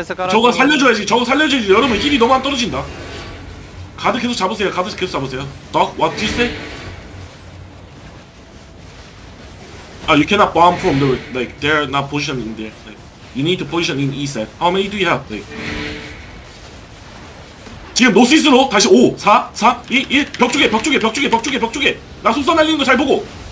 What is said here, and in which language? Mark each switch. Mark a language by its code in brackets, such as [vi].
[ko] 저거 살려줘야지, 저거 살려줘야지. 여러분, 힐이 너무 안 떨어진다. 가드 계속 잡으세요, 가드 계속 잡으세요. [en] Doc, what did you say? [ko] 아, [en] you cannot bomb from the, like, they're not positioned in there. You need to position in east side. How many do you have? Like... [ko] 지금 노스 이스로 다시 5, 4, 3, 2, 1 벽 쪽에, 벽 쪽에, 벽 쪽에, 벽 쪽에, 벽 쪽에. 나 속사 날리는 거 잘 보고.